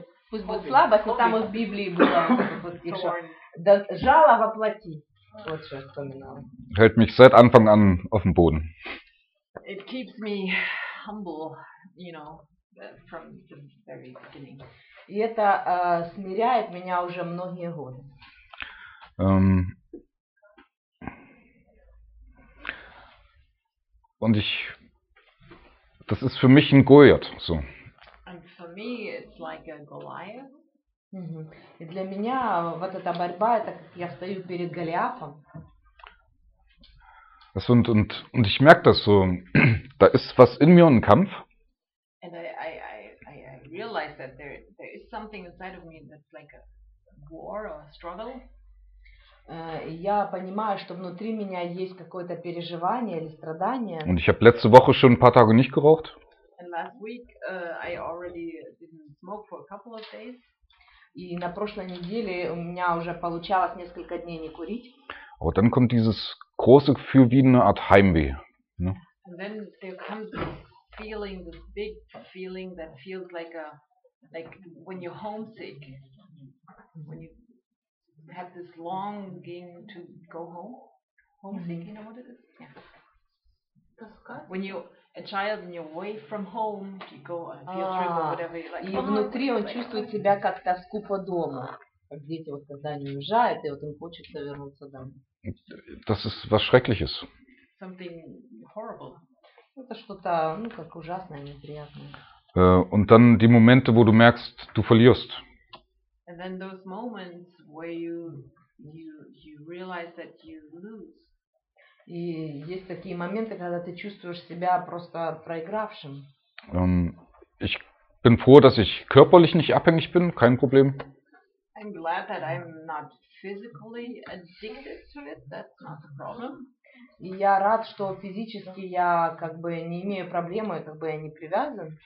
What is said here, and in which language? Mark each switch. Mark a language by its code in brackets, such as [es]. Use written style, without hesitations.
[ru] Пусть будет слабость, но там в Библии было что. Да, жало во плоти. Вот что я вспоминала. [de] Hält mich seit Anfang an auf dem Boden. [en] It keeps me humble, you know, from the very beginning. [ru] И это смиряет меня уже многие годы. [de] Und ich, das ist für mich ein Goliath, so. [en] And for me it's like a Goliath. [ru] Mm-hmm. И для меня вот эта борьба, это как я стою перед Голиафом. [de] Und ich merke das so, da ist was in mir, ein Kampf. [en] And I realize that there is something inside of me that's like a war or a struggle. [ru] Я понимаю, что внутри меня есть какое-то переживание или страдание. [de] Und ich habe letzte Woche schon ein paar Tage nicht geraucht. [en] And last week I already didn't smoke for a couple of days. [ru] И на прошлой неделе у меня уже получалось несколько дней не курить. Вот [de] dann kommt dieses große Gefühl wie eine Art Heimweh, ne? [en] And then there comes this feeling, this big feeling that feels like when you're homesick, when you have this longing to go home. Homesick, you know what it is? Yeah. When you a child and you're away from home, you go on a field trip or whatever. [ru] И внутри он чувствует себя как тоску по дому, как дети вот когда они уезжают, и вот им хочется вернуться домой. [de] Das ist was Schreckliches. [en] Something horrible. [ru] Это что-то, ну как ужасное, неприятное. [de] Und dann die Momente, wo du merkst, du verlierst. [en] And then those moments where you realize that you lose. [ru] И есть такие моменты, когда ты чувствуешь себя просто проигравшим. [de] Ich bin froh, dass ich körperlich nicht abhängig bin, kein Problem. [en] I'm glad that I'm not physically addicted to it, that's not a problem. [ru] И я рад, что физически я как бы не имею проблемы, как бы я не привязан.